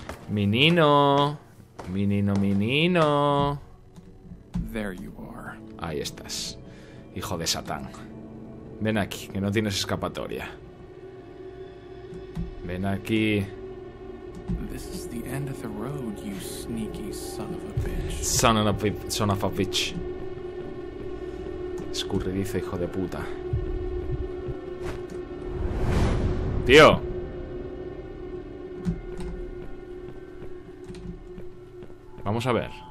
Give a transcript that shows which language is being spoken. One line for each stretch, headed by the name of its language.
Portuguese: Menino. Menino, menino.
English: There you are.
Spanish: Ahí estás. Hijo de Satán. Ven aquí, que no tienes escapatoria. Ven aquí.
English: This is the end of the road, you sneaky son of a bitch. Son of a bitch.
Spanish: Escurridizo, hijo de puta. Tío. Vamos a ver.